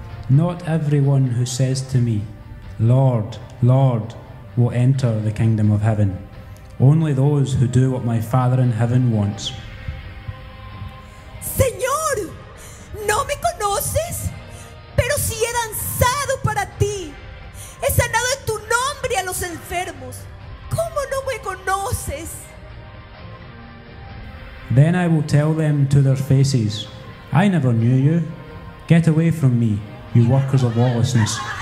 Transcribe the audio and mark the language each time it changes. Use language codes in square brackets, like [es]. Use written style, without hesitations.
[en] Not everyone who says to me, Lord, Lord, will enter the kingdom of heaven. Only those who do what my Father in heaven wants. [es] Señor, no me conoces, pero sí he danzado para ti. He sanado en tu nombre a los enfermos. ¿Cómo no me conoces? [en] Then I will tell them to their faces, I never knew you. Get away from me, you workers of lawlessness.